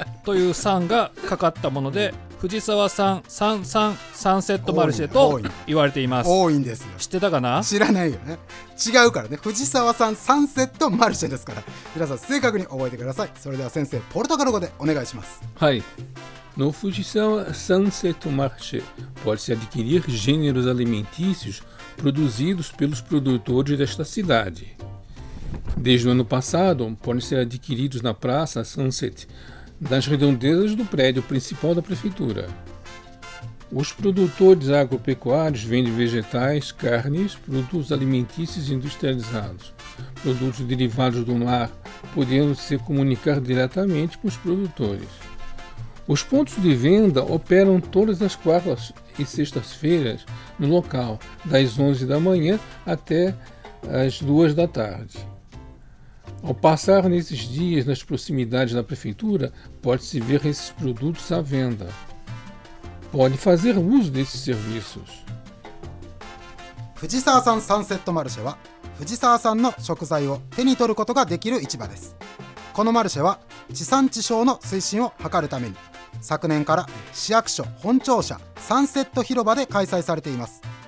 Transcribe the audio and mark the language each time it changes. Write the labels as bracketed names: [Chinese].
[Japanese] というさんがかかったもので、藤沢さんサンセットマルシェと言われています。多いんですよ。知ってたかな。知らないよね。違うからね。藤沢さんサンセットマルシェですから、皆さん正確に覚えてください。それでは先生、ポルトガル語でお願いします。 [Portuguese] はい、no藤沢サンセットマルシェ pode-se adquirir gêneros alimentícios produzidos pelos produtores desta cidade. Desde o ano passado podem ser adquiridos na praça Sunset das redondezas do prédio principal da prefeitura. Os produtores agropecuários vendem vegetais, carnes, produtos alimentícios industrializados, produtos derivados do mar, podendo se comunicar diretamente com os produtores. Os pontos de venda operam todas as quartas e sextas-feiras no local, das 11 da manhã até as 2 da tarde. Ao passar nesses dias nas proximidades da prefeitura, pode-se ver esses produtos à venda. Pode fazer uso desses serviços. [Japanese] 藤沢さんサンセットマルシェは、藤沢さんの食材を手に取ることができる市場です。このマルシェは、地産地消の推進を図るために、昨年から市役所本庁舎サンセット広場で開催されています。